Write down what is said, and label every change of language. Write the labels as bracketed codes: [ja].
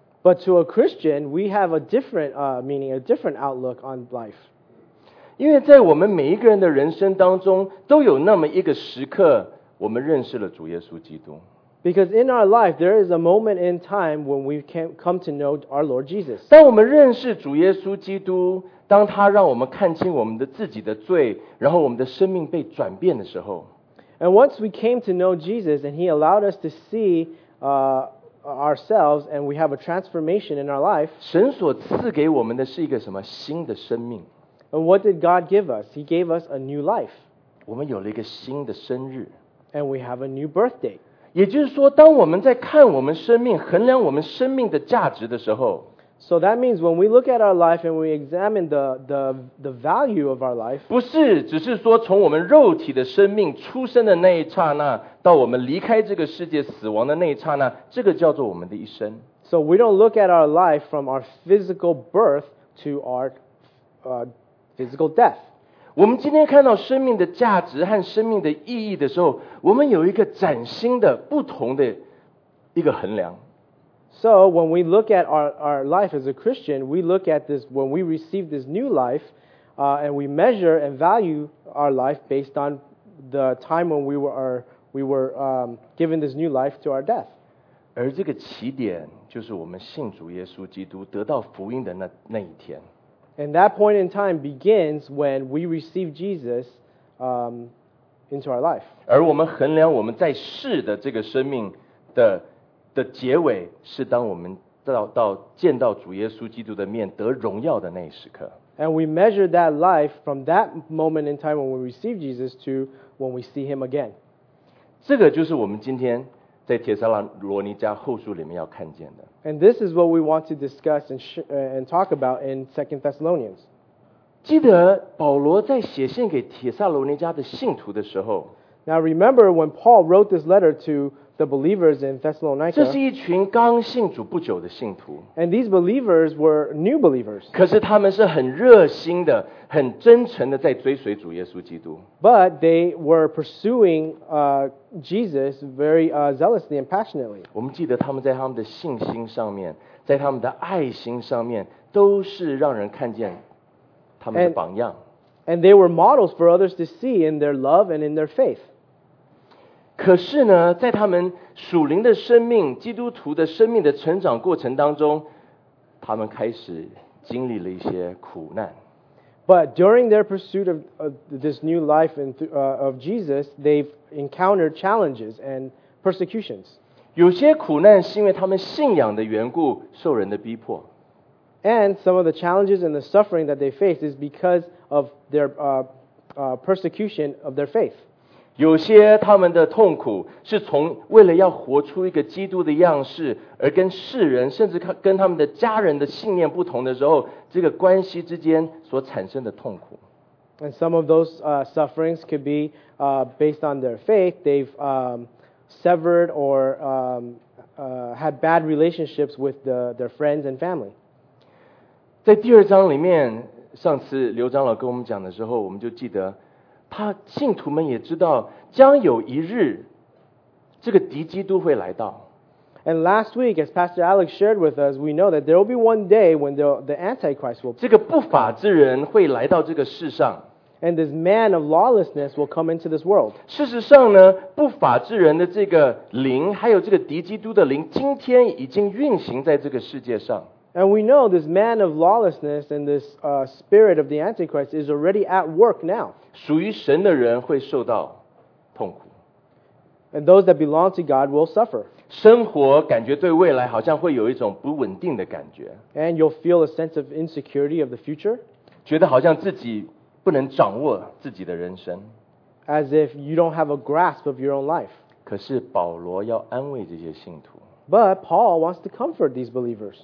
[en] But to a Christian, we have a different meaning, a different outlook on life. [zh] 因为在我们每一个人的人生当中，都有那么一个时刻，我们认识了主耶稣基督。 [en] Because in our life, there is a moment in time when we can come to know our Lord Jesus. [zh] 当我们认识主耶稣基督，当他让我们看清我们的自己的罪，然后我们的生命被转变的时候。 [en] And once we came to know Jesus and he allowed us to see ourselves and we have a transformation in our life. [zh] 神所赐给我们的是一个什么新的生命。 [en] And what did God give us? He gave us a new life. [zh] 我们有了一个新的生日。 [en] And we have a new birthday. [zh] 也就是说当我们在看我们生命衡量我们生命的价值的时候。 [en] So that means when we look at our life and we examine the value of our life, [zh] 不是只是说从我们肉体的生命出生的那一刹那到我们离开这个世界死亡的那一刹那，这个叫做我们的一生。 [en] So we don't look at our life from our physical birth to our physical death. [zh] 我们今天看到生命的价值和生命的意义的时候，我们有一个崭新的不同的一个衡量。 [en] So when we look at our life as a Christian, we look at this, when we receive this new life, and we measure and value our life based on the time when we were given this new life to our death. [zh] 而这个起点就是我们信主耶稣基督得到福音的那一天。 [en] And that point in time begins when we receive Jesus into our life. [zh] 而我们衡量我们在世的这个生命的的结尾是当我们 到见到主耶稣基督的面得荣耀的那一时刻。 [en] And we measure that life from that moment in time when we receive Jesus to when we see him again. [zh] 这个就是我们今天在帖撒罗尼迦后书里面要看见的。 [en] And this is what we want to discuss and talk about in 2 Thessalonians. [zh] 记得保罗在写信给帖撒罗尼迦的信徒的时候。 [en] Now remember when Paul wrote this letter to the believers in Thessalonica. [zh] 这是一群刚信主不久的信徒。 [en] And these believers were new believers. [zh] 可是他们是很热心的，很真诚的在追随主耶稣基督。 [en] But they were pursuing Jesus very zealously and passionately. [zh] 我们记得他们在他们的信心上面，在他们的爱心上面，都是让人看见他们的榜样。 [en] And they were models for others to see in their love and in their faith. [zh] 可是呢，在他们属灵的生命，基督徒的生命的成长过程当中，他们开始经历了一些苦难。 [en] But during their pursuit of this new life and of Jesus, they've encountered challenges and persecutions. [zh] 有些苦难是因为他们信仰的缘故，受人的逼迫。 [en] And some of the challenges and the suffering that they face is because of their persecution of their faith. [zh] 有些他们的痛苦是从为了要活出一个基督的样式而跟世人甚至跟他们的家人的信念不同的时候，这个关系之间所产生的痛苦。 [en] And some of those sufferings could be based on their faith. They've severed or had bad relationships with their friends and family. [zh] 在第二章里面上次刘长老跟我们讲的时候，我们就记得，他信徒们也知道，将有一日，这个敌基督会来到。 [en] And last week, as Pastor Alex shared with us, we know that there will be one day when the Antichrist will. [zh] 这个不法之人会来到这个世上。 [en] And this man of lawlessness will come into this world. [zh] 事实上呢，不法之人的这个灵，还有这个敌基督的灵，今天已经运行在这个世界上。 [en] And we know this man of lawlessness and this spirit of the Antichrist is already at work now. [zh] 属于神的人会受到痛苦。 [en] And those that belong to God will suffer. [zh] 生活感觉对未来好像会有一种不稳定的感觉。 [en] And you'll feel a sense of insecurity of the future. [zh] 觉得好像自己不不能掌握自己的人生。 [en] As if you don't have a grasp of your own life. [zh] 可是保罗要安慰这些信徒。 [en] But Paul wants to comfort these believers.